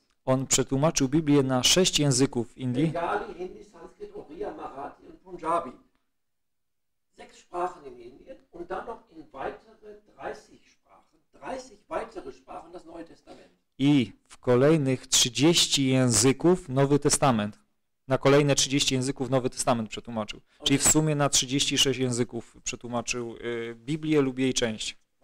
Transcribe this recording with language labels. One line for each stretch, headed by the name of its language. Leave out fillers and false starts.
Polish: On przetłumaczył Biblię na 6 języków w Indii.
German: Bengali, Hindi, Sanskrit, Oriya, Marathi und Punjabi. 6 Sprachen in Indien und dann noch in weitere 30 Sprachen. 30 weitere Sprachen das Neue Testament.
Polish: I w kolejnych 30 języków Nowy Testament. Na kolejne 30 języków Nowy Testament przetłumaczył. Czyli w sumie na 36 języków przetłumaczył Biblię lub jej część.